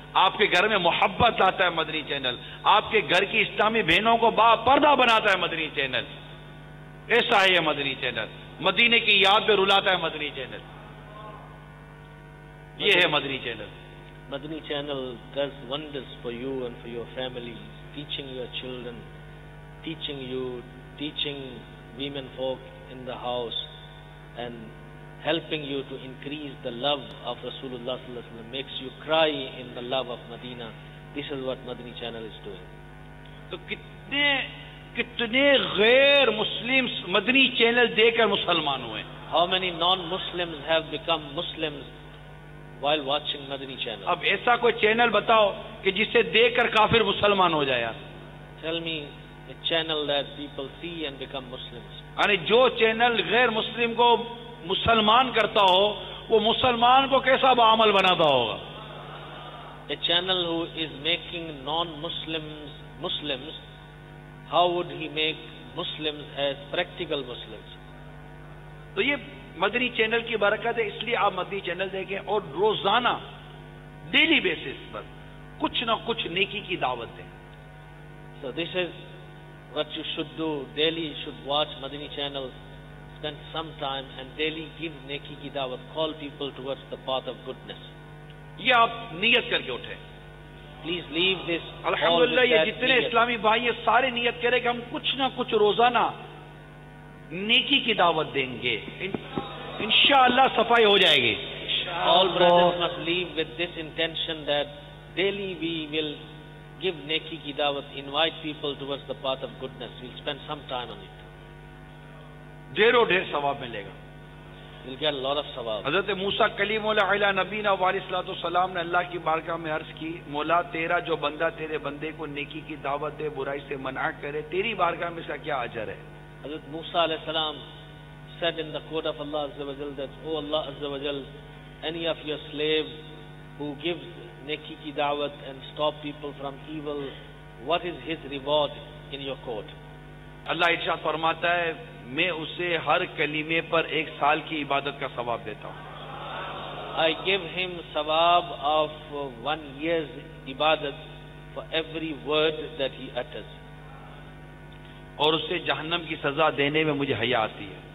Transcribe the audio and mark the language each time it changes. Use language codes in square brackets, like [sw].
[ur] آپ کے گھر میں محبت لاتا ہے مدنی چینل. آپ کے گھر کی اسلامی بہنوں کو با پردہ بناتا ہے مدنی چینل. ایسا ہے یہ مدنی چینل. مدینے کی یاد پہ رلاتا ہے مدنی چینل. یہ ہے مدنی channel. [en] Madani channel does wonders for you and for your family, teaching your children, teaching you, teaching women folk in the house and helping you to increase the love of Rasulullah صلی اللہ علیہ وسلم, makes you cry in the love of Madina. This is what Madani channel is doing. [ur] تو کتنے غیر مسلم مدنی channel دے کر مسلمان ہوئے. [en] How many non-Muslims have become Muslims while watching Madani channel. [ur] اب ایسا کوئی چینل بتاؤ کہ جسے دے کر کافر مسلمان ہو جائے. [en] Tell me a channel that people see and become Muslims. [ur] یعنی جو چینل غیر مسلم کو مسلمان کرتا ہو وہ مسلمان کو کیسا بعمل بناتا ہوگا. [en] A channel who is making non-Muslims Muslims, how would he make Muslims as practical Muslims? [ur] تو یہ مدنی چینل کی برکت ہے. اس لیے آپ مدنی چینل دیکھیں اور روزانہ ڈیلی بیسس پر کچھ نہ کچھ نیکی کی دعوت دیں. [en] So this is what you should do. Daily you should watch Madani channel, spend some time and daily give نیکی کی دعوت, call people towards the path of goodness. [ur] یہ آپ نیت کر کے اٹھیں. [en] Please leave this. [ur] الحمد للہ یہ جتنے اسلامی بھائی سارے نیت کرے کہ ہم کچھ نہ کچھ روزانہ نیکی کی دعوت دیں گے, انشاءاللہ صفائی ہو جائے گی. [en] All brothers must leave with this intention that daily we will give نیکی کی دعوت, invite people towards the path of goodness. We'll spend some time on it. [ur] ڈھیر اور ڈھیر ثواب ملے گا. [en] We'll get a lot of ثواب. [ur] حضرت موسیٰ کلیم علیہ نبینا وعلیہ السلام نے اللہ کی بارگاہ میں عرض کی, مولا تیرا جو بندہ تیرے بندے کو نیکی کی دعوت دے, برائی سے منع کرے, تیری بارگاہ میں اس کا کیا اجر ہے؟ [en] حضرت موسیٰ علیہ السلام said in the court of Allah عز و جل that O Allah عز و جل, any of your slave who gives نیکی کی دعوت and stop people from evil, what is his reward in your court? [ur] اللہ ارشاد فرماتا ہے میں اسے ہر کلیمے پر ایک سال کی عبادت کا ثواب دیتا ہوں. [en] I give him ثواب of one year's عبادت for every word that he utters. [ur] اور اسے جہنم کی سزا دینے میں مجھے حیا آتی ہے.